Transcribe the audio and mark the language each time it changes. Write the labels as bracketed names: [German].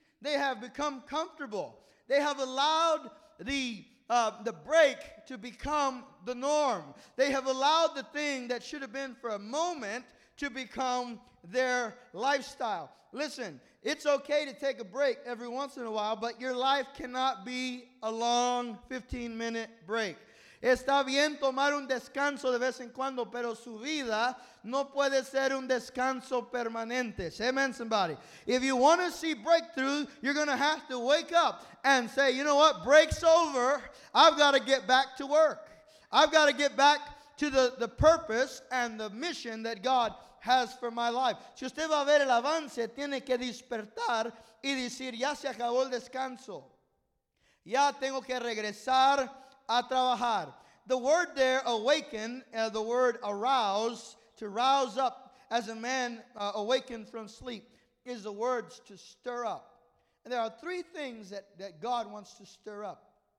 [English] They have become comfortable. They have allowed the break to become the norm. They have allowed the thing that should have been for a moment to become their lifestyle. Listen, it's okay to take a break every once in a while, but your life cannot be a long 15-minute break. [Spanish] Está bien tomar un descanso de vez en cuando, pero su vida no puede ser un descanso permanente. [English] Say amen, somebody. If you want to see breakthrough, you're going to have to wake up and say, you know what, break's over. I've got to get back to work. I've got to get back to the purpose and the mission that God has for my life. [Spanish] Si usted va a ver el avance, tiene que despertar y decir, ya se acabó el descanso. Ya tengo que regresar a trabajar. [English] The word there, awaken, the word arouse, to rouse up as a man awakened from sleep, is the words to stir up. And there are three things that God wants to stir up.